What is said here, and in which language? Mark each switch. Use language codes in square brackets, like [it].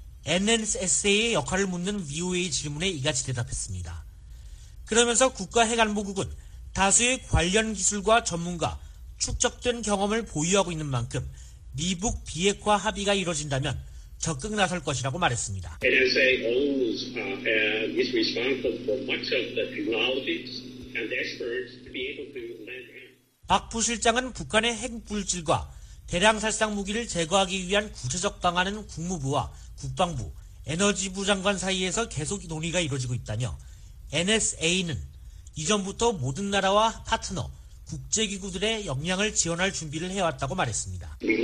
[ko] NSSA의 역할을 묻는 VOA 질문에 이같이 대답했습니다. 그러면서 국가핵안보국은 다수의 관련 기술과 전문가, 축적된 경험을 보유하고 있는 만큼 미북 비핵화 합의가 이뤄진다면 적극 나설 것이라고 말했습니다. [en] NSA owns and is responsible for much of the technologies and experts to be able to land. [ko] 박 부실장은 북한의 핵 물질과 대량 살상 무기를 제거하기 위한 구체적 방안은 국무부와 국방부, 에너지부 장관 사이에서 계속 논의가 이루어지고 있다며 NSA는 이전부터 모든 나라와 파트너, 국제기구들의 역량을 지원할 준비를 해왔다고 말했습니다.